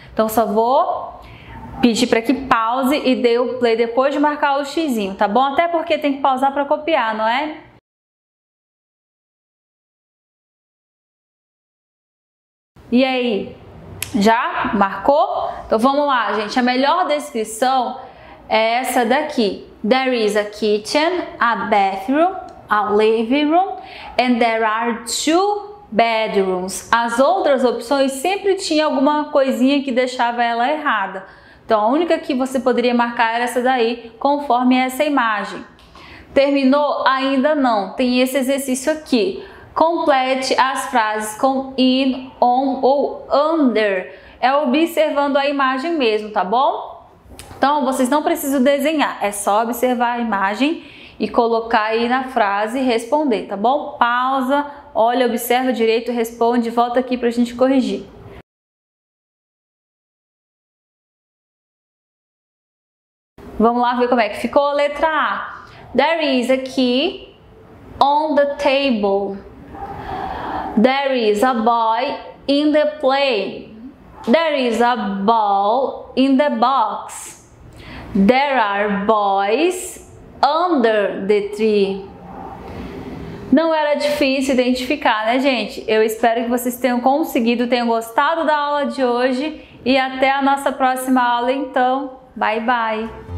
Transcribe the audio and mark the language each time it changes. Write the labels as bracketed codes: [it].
[pt] Então só vou pedir para que pause e dê o play depois de marcar o xizinho, tá bom? Até porque tem que pausar para copiar, não é? E aí, já marcou? Então vamos lá, gente. A melhor descrição é essa daqui. [en] There is a kitchen, a bathroom, a living room, and there are two bedrooms. [pt] As outras opções sempre tinham alguma coisinha que deixava ela errada. Então a única que você poderia marcar era essa daí, conforme essa imagem. Terminou? Ainda não. Tem esse exercício aqui. Complete as frases com in, on ou under. É observando a imagem mesmo, tá bom? Então, vocês não precisam desenhar. É só observar a imagem e colocar aí na frase e responder, tá bom? Pausa, olha, observa direito, responde, volta aqui pra gente corrigir. Vamos lá ver como é que ficou a letra A. [en] There is a key on the table. There is a boy in the plane. There is a ball in the box. There are boys under the tree. [pt] Não era difícil identificar, né, gente? Eu espero que vocês tenham conseguido, tenham gostado da aula de hoje. E até a nossa próxima aula, então. [en] Bye, bye.